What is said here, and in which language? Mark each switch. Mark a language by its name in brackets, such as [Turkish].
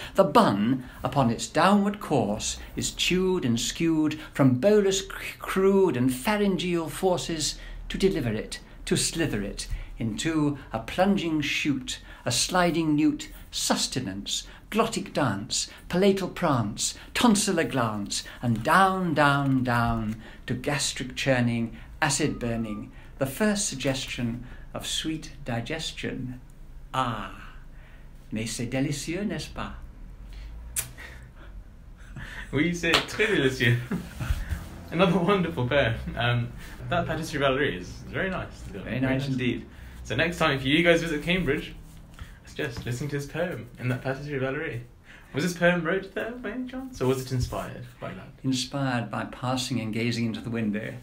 [English] The bun, upon its downward course, is chewed and skewed from bolus crude and pharyngeal forces to deliver it, to slither it into a plunging chute, a sliding newt, sustenance, glottic dance, palatal prance, tonsillar glance, and down, down, down to gastric churning, acid burning, the first suggestion of sweet digestion. [French] Ah, mais c'est délicieux, n'est-ce pas? Oui, c'est très délicieux. [English] Another wonderful pair. That Patisserie Valerie is very nice. Very nice indeed. So next time, if you guys visit Cambridge, just listening to his poem in that Patisserie Valerie. Was this poem wrote there by any chance, or was it inspired by that? Inspired by passing and gazing into the window.